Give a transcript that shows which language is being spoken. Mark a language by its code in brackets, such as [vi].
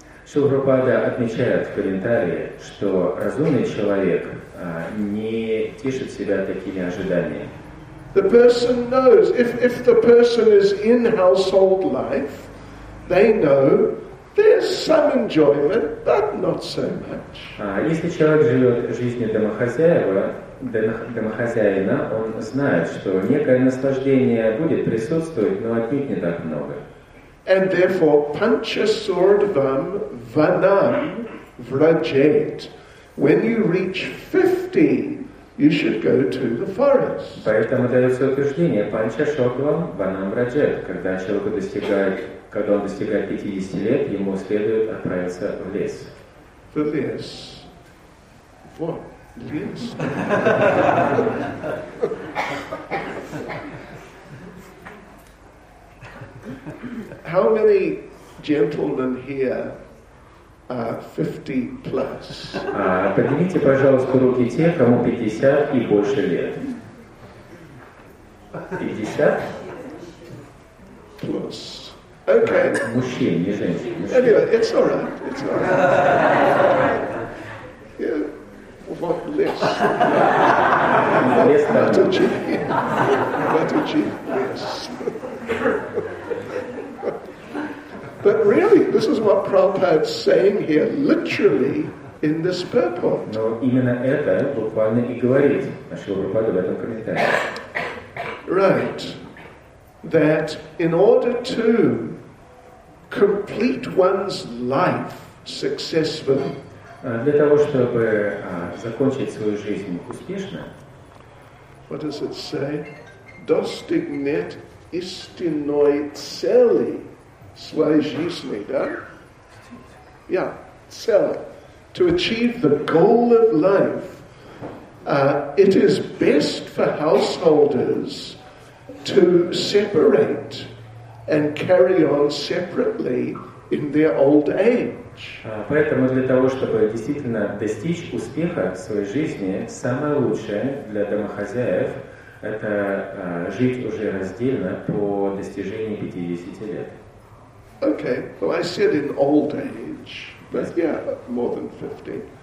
[ru] Srila Prabhupada отмечает в комментарии, что разумный человек не тешит себя такими ожиданиями. [en] The person knows. If the person is in household life, they know there's some enjoyment, but not so much. [ru] Если человек живет жизнью домохозяина, он знает, что некое наслаждение будет присутствовать, но отнюдь не так много. [en] And therefore, [sa] panchasurdvam vanam vrajet. [en] When you reach 50, you should go to the forest. [ru] Поэтому дается утверждение, [sa] панчашордвам ванам раджет. [ru] Когда человек достигает, 50 лет, ему следует отправиться в лес. В лес. What? Лес? [en] How many gentlemen here 50 plus? [ru] Поднимите, пожалуйста, руки те, кому 50 и больше лет. [en] 50? Plus. Okay. [ru] Мужчин, не женщин. [en] Anyway, it's all right. It's all right. Yeah. What less? Less than. Less. But really, this is what Prabhupada is saying here, literally, in this purport. [ru] Но именно это буквально и говорит Шрила Прабхупада в этом комментарии. [en] Right. That in order to complete one's life successfully, [ru] для того, чтобы закончить свою жизнь успешно, [en] what does it say? [ru] Достигнет истинной цели. Своей жизни, да? Yeah, цель. [en] To achieve the goal of life, it is best for householders to separate and carry on separately in their old age. [ru] Поэтому для того, чтобы действительно достичь успеха в своей жизни, самое лучшее для домохозяев – это жить уже раздельно по достижении 50 лет. [en] Okay, well, I said in old age, but yeah, more than 50.